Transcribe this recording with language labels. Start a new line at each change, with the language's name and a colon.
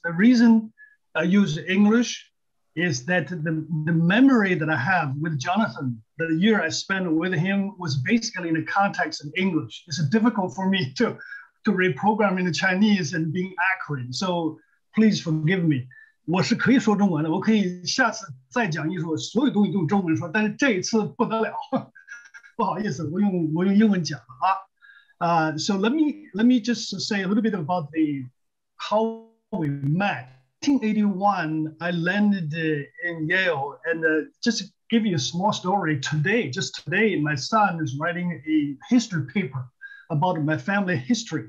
English: The reasonI use English is that the memory that I have with Jonathan, the year I spent with him, was basically in the context of English. It's difficult for me to reprogram in Chinese and being accurate. So please forgive me.
Chinese: 我是可以说中文的，我可以下次再讲一说，所有东西都用中文说，但是这一次不得了。不好意思，我用英文讲了啊。
English: So let me just say a little bit about how we met. 1981, I landed in Yale, and just to give you a small story, today, my son is writing a history paper about my family history.